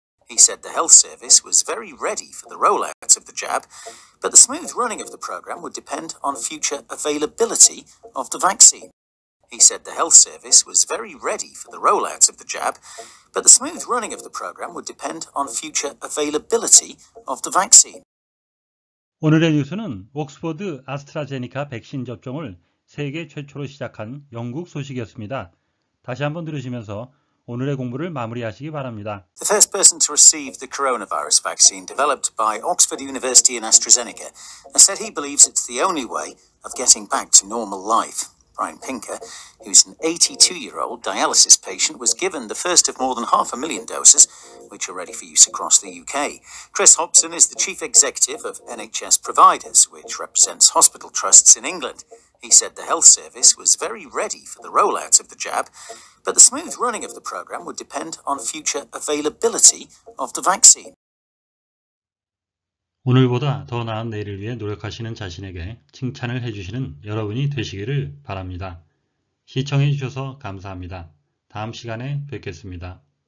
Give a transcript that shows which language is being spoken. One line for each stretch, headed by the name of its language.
English: He said the health service was very ready for the rollout of the jab, but the smooth running of the program would depend on future availability of the vaccine. He said the health service was very ready for the rollout of the jab, but the smooth running of the program would depend on future availability of the vaccine.
Korean: 오늘의 뉴스는 옥스퍼드 아스트라제네카 백신 접종을 세계 최초로 시작한 영국 소식이었습니다. 다시 한번 들으시면서 오늘의 공부를 마무리하시기 바랍니다.
English: The first person to receive the coronavirus vaccine developed by Oxford University and AstraZeneca said he believes it's the only way of getting back to normal life. Brian Pinker, who's an 82-year-old dialysis patient, was given the first of more than 500,000 doses, which are ready for use across the UK. Chris Hobson is the chief executive of NHS Providers, which represents hospital trusts in England. He said the health service was very ready for the rollout of the jab, but the smooth running of the program would depend on future availability of the vaccine.
Korean: 오늘보다 더 나은 내일을 위해 노력하시는 자신에게 칭찬을 해주시는 여러분이 되시기를 바랍니다. 시청해 주셔서 감사합니다. 다음 시간에 뵙겠습니다.